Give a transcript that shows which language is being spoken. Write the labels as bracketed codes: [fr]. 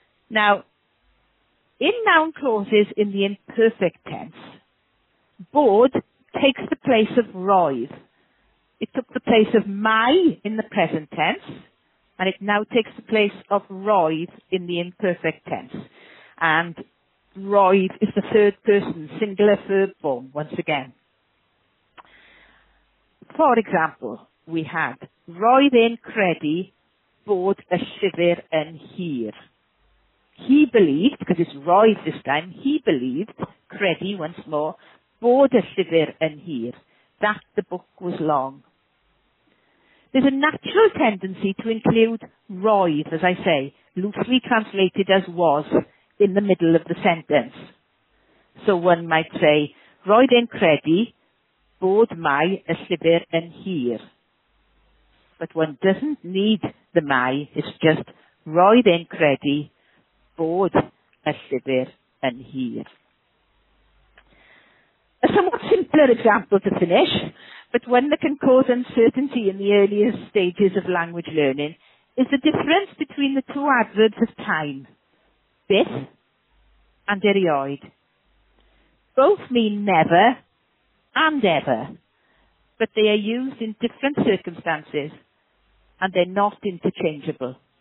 [en] Now, in noun clauses in the imperfect tense, bod takes the place of roedd. It took the place of mae in the present tense, and it now takes the place of roedd in the imperfect tense. And roedd is the third person, singular verb form, once again. For example, we had [cy] roedd yn credu bod y llyfr yn hir. [en] He believed, because it's roedd this time, he believed, credu once more, [cy] bod y llyfr yn hir, [en] that the book was long. There's a natural tendency to include roedd, as I say, loosely translated as was, in the middle of the sentence. So one might say, [cy] roedd yn credu bod mae y llyfr yn hir. [en] But one doesn't need the mae, it's just [cy] roedd yn credu bod y llyfr yn hir. [en] A somewhat simpler example to finish, but one that can cause uncertainty in the earliest stages of language learning, is the difference between the two adverbs of time, byth and erioed. Both mean never and ever, but they are used in different circumstances and they're not interchangeable.